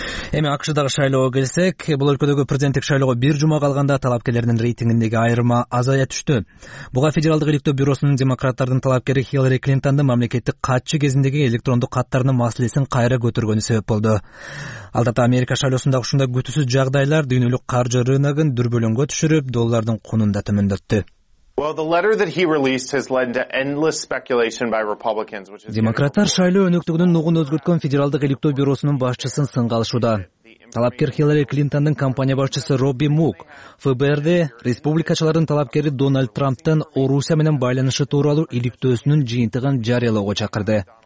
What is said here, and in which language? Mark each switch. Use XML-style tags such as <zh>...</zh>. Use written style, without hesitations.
<ky>Эми АКШдагы шайлоого келсек, бул өлкөдөгү президенттик шайлоого 1 жума калганда талапкерлердин рейтингиндеги айырма азая түштү. Буга Федералдык иликтөө бюросунун демократтардын талапкери Хиллари Клинтондун мамлекеттик катчы кезиндеги электрондук каттарынын маселесин кайра көтөргөнү себеп болду. Алдата Америка шайлоосунда ушундай күтүүсүз жагдайлар дүйнөлүк каржы рыногун дүрбөлөңгө түшүрүп, доллардын кунун да төмөндөттү.</ky> <en>Well, the letter that he released has led to endless speculation by Republicans, which is</en> <ky>Демократтар шайлоо өнөктүгүнүн нугун өзгөрткөн Федералдык иликтөө бюросунун башчысын сынга алышууда. Талапкер Хиллари Клинтондун компания башчысы Робби Мук ФБРде республикачылардын талапкери Дональд Трамптын Орусия менен байланышы тууралуу иликтөөсүнүн жыйынтыгын жарыялоого чакырды.</ky>